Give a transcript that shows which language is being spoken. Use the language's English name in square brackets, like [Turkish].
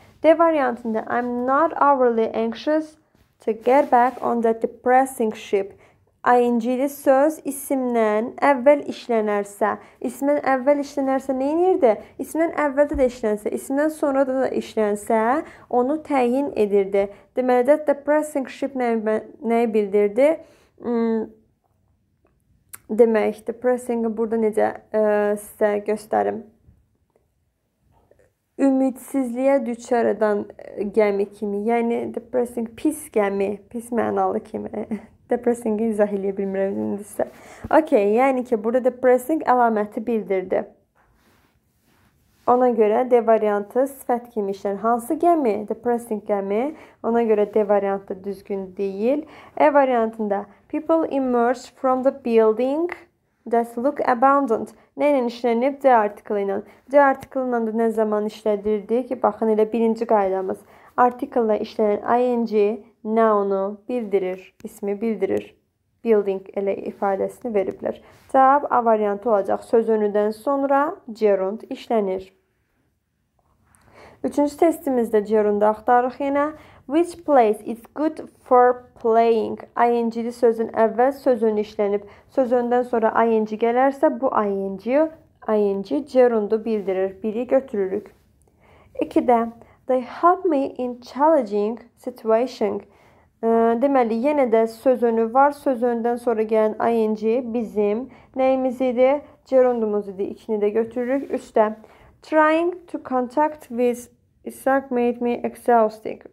[English] D variantında I'm not overly anxious to get back on that depressing ship. [Azerbaijani] ING'li söz isimden evvel işlenirse, isimden evvel işlenirse neyin yerdi? İsimden evvelde de işlense, isimden sonra da işlense onu təyin edirdi. Deməli, that depressing ship nəyə bildirdi? Demək, depressing'ı burada necə sizə göstərim? Ümitsizliyə düşər edən gəmi kimi, yəni depressing pis gəmi, pis mənalı kimi. Depressing'i izah edə bilmirəm indisə. Okey, yəni ki, burada depressing əlaməti bildirdi. Ona görə D variantı sifət kimi işlənir. Hansı gəmi? Depressing gəmi. Ona görə D variantı düzgün deyil. [English] E variantında people emerge from the building that look abandoned. [Azerbaijani] Nə ilə işlənib? D artikli ilə. D artikli ilə nə zaman işlədirdi ki? Baxın, elə birinci qaydamız. Artikli ilə işlənən ing noun'u bildirir, ismi bildirir. Building elə ifadəsini veriblər. Cavab A variantı olacaq. Söz önüdən sonra gerund işlənir. Üçüncü testimizdə gerundu axtarıq yenə. [English] Which place is good for playing? [Azerbaijani] ING-li sözün əvvəl söz önü işlənib. Söz önündən sonra ING gələrsə, bu ING gerundu bildirir. Biri götürürük. İkidə. [English] They help me in challenging situations. [Azerbaijani] Deməli, yenə də söz önü var. Söz önündən sonra gələn ing bizim nəyimiz idi? Gerundumuz idi. İkini də götürürük. Üstdə. [English] Trying to contact with Isaac made me exhausted.